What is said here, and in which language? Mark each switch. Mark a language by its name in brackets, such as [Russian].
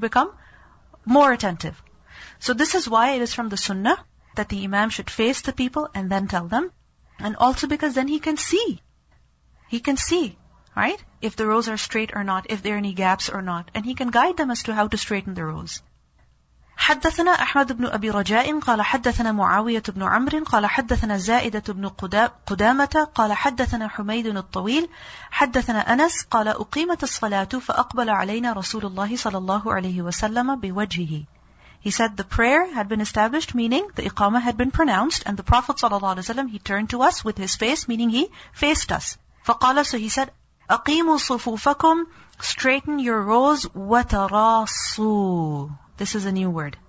[English] You become more attentive. So this is why it is from the sunnah that the imam should face the people and then tell them. And also because then he can see. He can see, right? If the rows are straight or not, if there are any gaps or not. And he can guide them as to how to straighten the rows. [Arabic] حدثنا أحمد بن أبي رجاء قال حدثنا معاوية بن عمر قال حدثنا زائدة بن قدامة قال حدثنا حميد الطويل حدثنا أنس قال أقيمت الصلاة فأقبل علينا رسول الله صلى الله عليه وسلم بوجهه. [English] He said the prayer had been established, meaning the iqama had been pronounced, and the Prophet [Arabic] صلى الله عليه وسلم, [English] he turned to us with his face, meaning he faced us. [Arabic] فقال, [English] so he said, [Arabic] أقيموا صفوفكم, [English] straighten your rows, [Arabic] وتراصوا. [English] This is a new word.